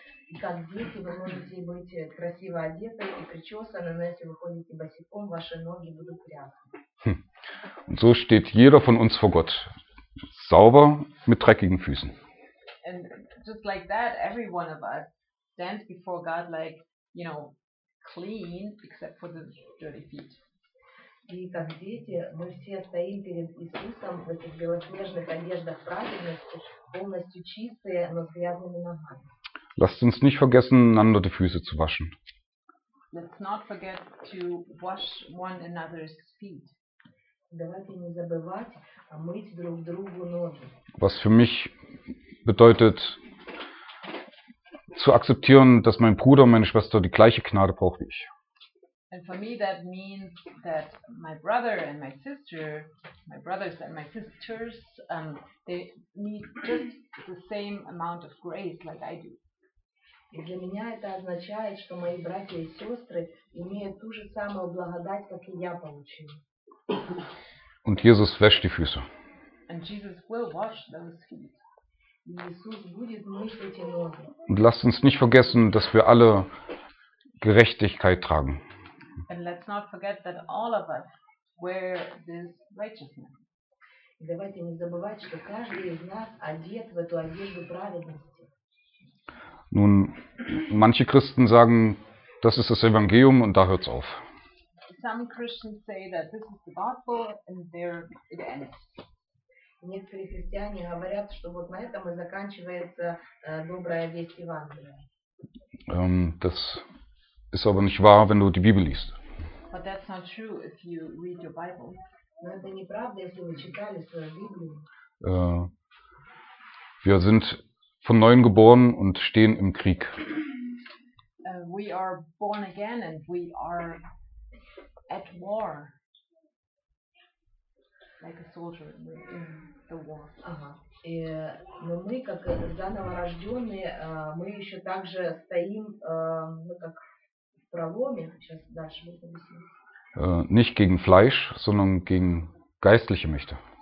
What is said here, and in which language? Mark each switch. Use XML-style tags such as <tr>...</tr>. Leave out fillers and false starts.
<ru>И как дети, вы можете быть красиво одеты и причесаны, но если вы ходите босиком, ваши ноги будут грязны.</ru> <de>Und so steht jeder von uns vor Gott. Sauber, mit dreckigen Füßen.</de> <en>And just like that, every one of us stands before God like, you know, clean, except for the dirty feet.</en> <ru>И как дети, мы все стоим перед Иисусом в этих белоснежных одеждах праведности, полностью чистые, но с грязными ногами.</ru> <de>Lasst uns nicht vergessen, einander die Füße zu waschen.</de> <en>Let's not forget to wash one another's feet.</en> <ru>Давайте не забывать мыть друг другу ноги.</ru> <de>Was für mich bedeutet, zu akzeptieren, dass mein Bruder und meine Schwester die gleiche Gnade braucht wie ich.</de> <en>And for me that means that my brother and my sister, my brothers and my sisters, they need just the same amount of grace like I do.</en> <ru>И для меня это означает, что мои братья и сестры имеют ту же самую благодать, как и я получил.</ru> <de>Und Jesus wäscht die Füße.</de> <en>And Jesus will wash those feet.</en> <ru>И Иисус будет мыть эти ноги.</ru> <de>Und lasst uns nicht vergessen, dass wir alle Gerechtigkeit tragen.</de> <en>And let's not forget that all of us wear this righteousness.</en> <ru>И давайте не забывать, что каждый из нас одет в эту одежду праведности.</ru> <de>Nun, manche Christen sagen, das ist das Evangelium und da hört's auf.</de> <en>Some Christians say that this is the gospel and there it ends.</en> <ru>Некоторые христиане говорят, что вот на этом и заканчивается добрая весть Евангелия.</ru> <de>Das ist aber nicht wahr, wenn du die Bibel liest.</de> <en>But that's not true if you read your Bible.</en> <ru>Но это неправда, если вы читали свою Библию.</ru> <de>Wir sind von Neuem geboren und stehen im Krieg.</de> <en>We are born again and we are at war. Like a soldier in the war.</en> <ru>И, но мы как заново рожденные, мы еще также стоим, мы как в проломе. Сейчас дальше мы повесим.</ru> <de>Nicht gegen Fleisch, sondern gegen geistliche Mächte.</de>